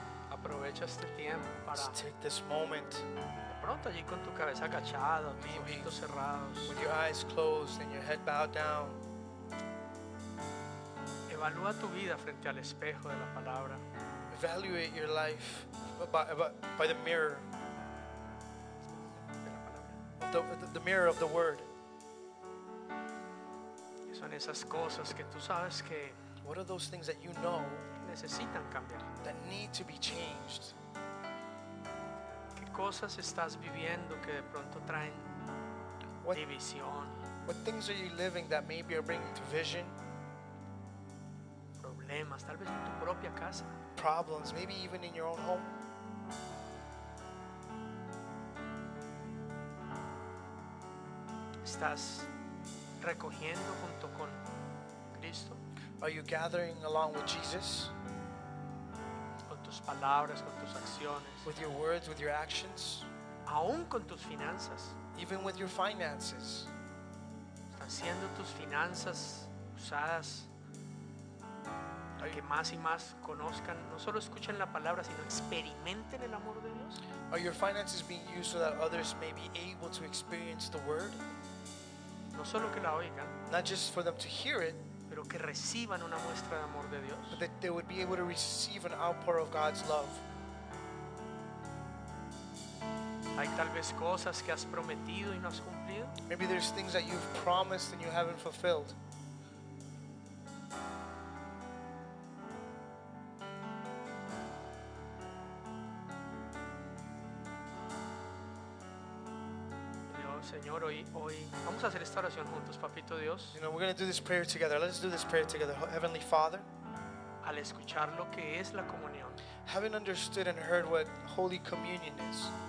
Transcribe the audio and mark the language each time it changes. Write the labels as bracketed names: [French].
[Spanish] aprovecha este tiempo para [English] take this moment. [Spanish] De pronto allí con tu cabeza agachada, tus ojitos cerrados. [English] With your eyes closed and your head bowed down. [Spanish] Evalúa tu vida frente al espejo de la palabra. [English] Evaluate your life by the mirror. The mirror of the word. [Spanish] Son esas cosas que tú sabes que [English] what are those things that you know [Spanish] necesitan cambiar? [English] That need to be changed. [Spanish] ¿Qué cosas estás viviendo que de pronto traen división? [English] What things are you living that maybe are bringing division? [Spanish] Problemas, tal vez en tu propia casa. [English] Problems, maybe even in your own home. [Spanish] ¿Estás recogiendo junto con Cristo? [English] Are you gathering along with Jesus? [Spanish] Con tus palabras, con tus acciones. [English] With your words, with your actions. [Spanish] Aún con tus finanzas. [English] Even with your finances. [Spanish] ¿Están siendo tus finanzas usadas para que más y más conozcan, no solo escuchen la palabra, sino experimenten el amor de Dios? [English] Are your finances being used so that others may be able to experience the word? [Spanish] No solo que la oigan, [English] not just for them to hear it, [Spanish] pero que reciban una muestra de amor de Dios. [English] But that they would be able to receive an outpour of God's love. [Spanish] Hay tal vez cosas que has prometido y no has cumplido. [English] Maybe there's things that you've promised and you haven't fulfilled. [Spanish] Señor, hoy vamos a hacer esta oración juntos, papito Dios. [English] You know, we're going to do this prayer together. Let's do this prayer together. Heavenly Father, [Spanish] al escuchar lo que es la comunión, [English] having understood and heard what Holy Communion is,